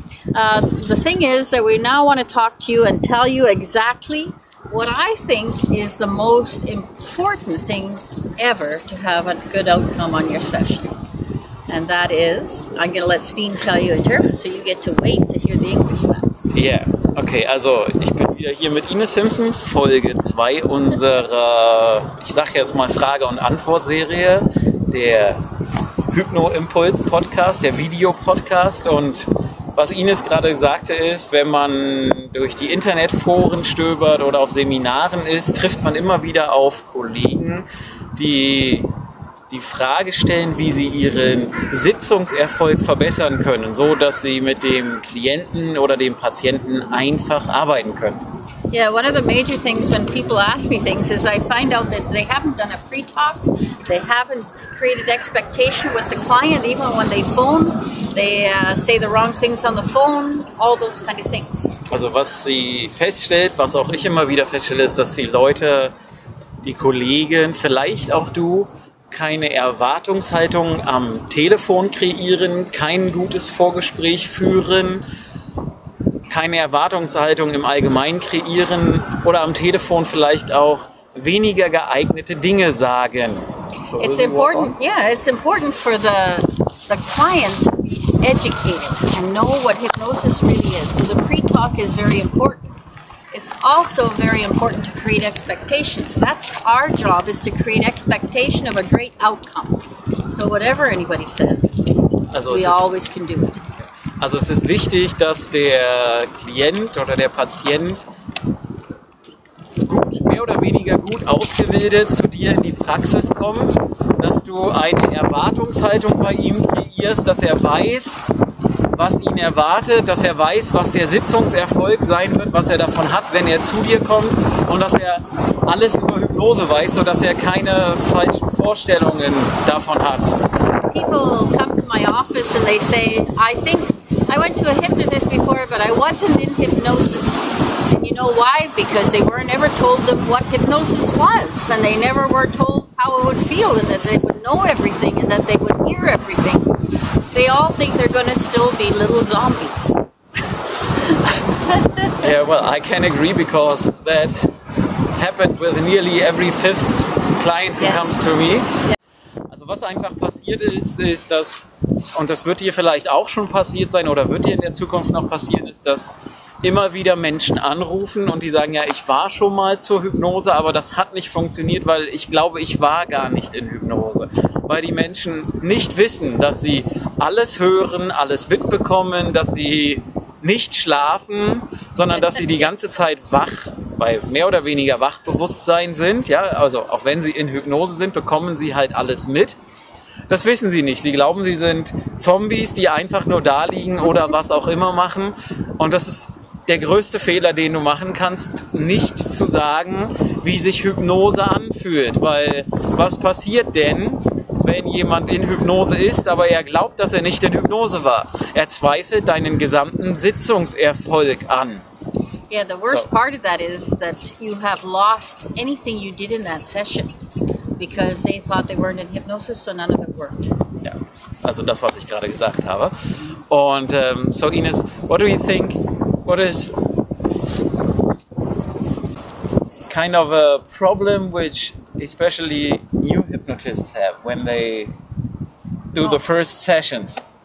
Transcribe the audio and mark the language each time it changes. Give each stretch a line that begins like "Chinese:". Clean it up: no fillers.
English: The thing is that we now want to talk to you and tell you exactly what I think is the most important thing ever to have a good outcome on your session. And that is, I'm going to let Steen tell you in German, so you get to wait to hear the English sound. Yeah.
German: Okay, also ich bin wieder hier mit Inez Simpson, Folge 2 unserer, ich sag jetzt mal Frage- und Antwort-Serie, der Hypno-Impuls-Podcast, der Video-Podcast. Und was Inez gerade sagte ist, wenn man durch die Internetforen stöbert oder auf Seminaren ist, trifft man immer wieder auf Kollegen, die die Frage stellen, wie sie ihren Sitzungserfolg verbessern können, so dass sie mit dem Klienten oder dem Patienten einfach arbeiten können.
English: Yeah, one of the major things when people ask me things is I find out that they haven't done a pre-talk, they haven't created expectation with the client, even when they phone, they say the wrong things on the phone, all those kind of things.
German: Also was sie feststellt, was auch ich immer wieder feststelle, ist, dass die Leute, die Kollegen, vielleicht auch du, keine Erwartungshaltung am Telefon kreieren, kein gutes Vorgespräch führen, keine Erwartungshaltung im Allgemeinen kreieren oder am Telefon vielleicht auch weniger geeignete Dinge sagen.
English: So it's important, it's important for the client to be educated and know what hypnosis really is. So the pre-talk is very important. It's also very important to create expectations. That's our job, is to create expectation of a great outcome. So whatever anybody says, also we always can do it.
German: Also es ist wichtig, dass der Klient oder der Patient gut, mehr oder weniger gut ausgebildet zu dir in die Praxis kommt, dass du eine Erwartungshaltung bei ihm kreierst, dass er weiß, was ihn erwartet, dass er weiß, was der Sitzungserfolg sein wird, was er davon hat, wenn er zu dir kommt und dass er alles über Hypnose weiß, sodass er keine falschen Vorstellungen davon hat.
English: People come to my office and they say, I think I went to a hypnotist before, but I wasn't in hypnosis. And you know why? Because they were never told them what hypnosis was, and they never were told how it would feel, and that they would know everything, and that they would hear everything. They all think they're going to still be little zombies. Yeah, well, I can agree, because that happened with nearly every fifth client who comes to me. Yeah.
German: Also was einfach passiert ist, ist, dass, und das wird dir vielleicht auch schon passiert sein oder wird dir in der Zukunft noch passieren, ist, dass immer wieder Menschen anrufen und die sagen, ja, ich war schon mal zur Hypnose, aber das hat nicht funktioniert, weil ich glaube, ich war gar nicht in Hypnose. Weil die Menschen nicht wissen, dass sie alles hören, alles mitbekommen, dass sie nicht schlafen, sondern dass sie die ganze Zeit wach, bei mehr oder weniger Wachbewusstsein sind. Ja, also auch wenn sie in Hypnose sind, bekommen sie halt alles mit. Das wissen sie nicht. Sie glauben, sie sind Zombies, die einfach nur da liegen oder was auch immer machen. Und das ist der größte Fehler, den du machen kannst, nicht zu sagen, wie sich Hypnose anfühlt. Weil was passiert denn, wenn jemand in Hypnose ist, aber er glaubt, dass er nicht in Hypnose war? Er zweifelt deinen gesamten Sitzungserfolg an.
English: Yeah, the worst part of that is that you have lost anything you did in that session because they thought they weren't in hypnosis, so none of it worked.
German: Yeah, also das, was ich gerade gesagt habe. Und so
English: Inez, what do you think, what is kind of a problem which especially new hypnotists have when they do the first sessions?